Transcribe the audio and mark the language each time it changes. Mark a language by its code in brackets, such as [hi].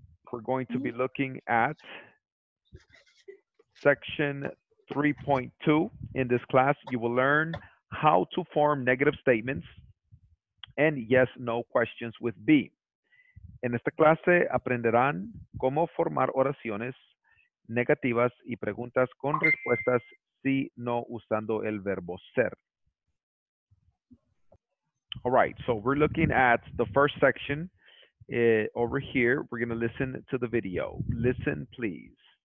[en] We're going to be looking at section 3.2 in this class. You will learn how to form negative statements and yes, no questions with B. [es] En esta clase aprenderán cómo formar oraciones negativas y preguntas con respuestas sí, no usando el verbo ser. [en] All right, so we're looking at the first section. Over here, we're going to listen to the video. Listen, please.